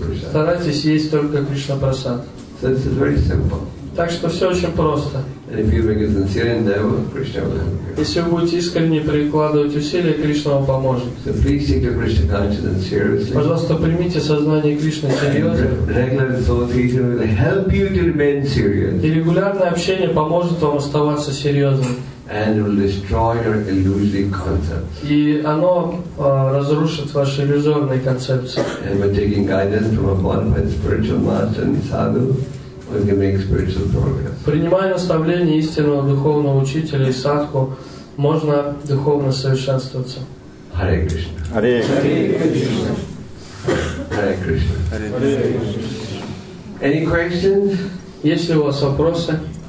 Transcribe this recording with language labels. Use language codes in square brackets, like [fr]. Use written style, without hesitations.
[ru] Старайтесь есть только Кришна Прасад. [en] So this is very simple. [ru] Так что все очень просто. [en] And if you make a sincere endeavor, Krishna will help you. [ru] Если вы будете искренне прикладывать усилия, Кришна вам поможет. [en] So please take your Krishna consciousness seriously. [ru] Пожалуйста, примите сознание Кришны серьезно. И регулярное общение поможет вам оставаться серьезным. [en] And it will destroy your illusory concepts. [ru] И оно разрушит ваши иллюзорные концепции. [en] And by taking guidance from a bonafide spiritual master and sadhu, we can make spiritual progress. [ru] Принимая наставление истинного духовного учителя и садху, можно духовно совершенствоваться. [en] Hare Krishna. Hare Krishna. Hare Krishna. Hare Krishna. Any questions? [ru] Есть ли у вас вопросы?